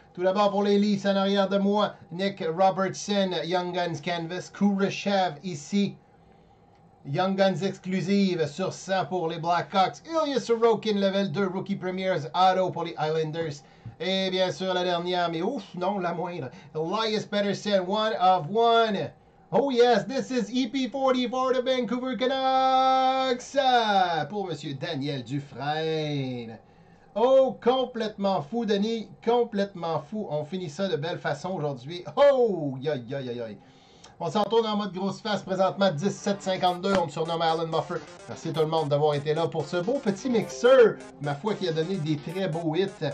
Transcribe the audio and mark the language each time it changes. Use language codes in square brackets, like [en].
[fr] Tout d'abord, pour les Leafs en arrière de moi, Nick Robertson, Young Guns Canvas, Kurashev ici. Young Guns exclusive sur 100 pour les Blackhawks. Ilya Sorokin, level 2, Rookie Premiers, auto pour les Islanders. Et bien sûr, la dernière, mais ouf, non, la moindre. [en] Elias Pettersson, one of one. Oh yes, this is EP40 for the Vancouver Canucks. [fr] Pour Monsieur Daniel Dufresne. Oh, complètement fou, Denis. Complètement fou. On finit ça de belle façon aujourd'hui. Oh, yo, yo, yo, yo. On s'en tourne en mode grosse face présentement, 17:52, on me surnomme Alan Buffer. Merci tout le monde d'avoir été là pour ce beau petit mixeur, ma foi, qui a donné des très beaux hits.